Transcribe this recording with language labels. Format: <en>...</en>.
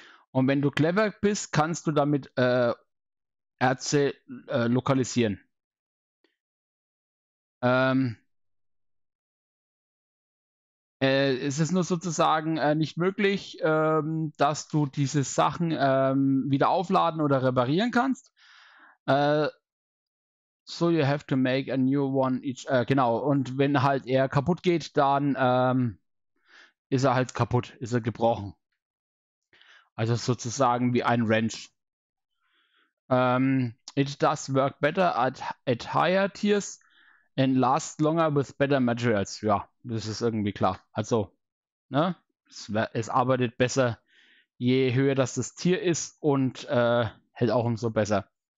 <de>Und wenn du clever bist, kannst du damit Erze lokalisieren. Es ist nur sozusagen nicht möglich, dass du diese Sachen wieder aufladen oder reparieren kannst.</de> <en>So you have to make a new one each.</en> <de>Genau, und wenn halt er kaputt geht, dann ist er halt kaputt, ist er gebrochen. Also sozusagen wie ein Wrench.</de> <en>It does work better at higher tiers and lasts longer with better materials.</en> <de>Ja, das ist irgendwie klar. Also, ne? Es arbeitet besser, je höher das Tier ist und hält auch umso besser.</de>